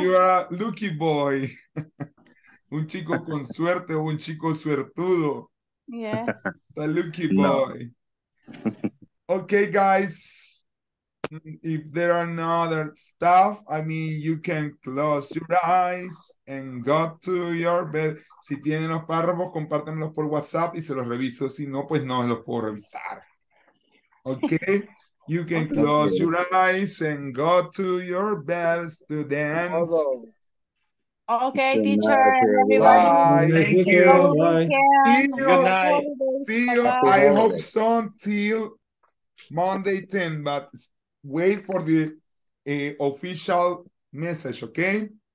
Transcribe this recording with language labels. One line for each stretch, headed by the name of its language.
English: You are a lucky boy.
Spanish: Un chico con suerte, un chico suertudo.
English: Yeah. The lucky boy. No. Okay, guys. If there are no other stuff, I mean, you can close your eyes and go to your bed.
Spanish: Si tienen los párrafos, compártanlos por WhatsApp y se los reviso. Si no, pues no los puedo revisar. Okay?
English: You can close your eyes and go to your bed, students. Okay, teacher, everybody. Bye. Thank you. Bye. See you. Good night. See you. I hope so until Monday 10, but wait for the official message, okay?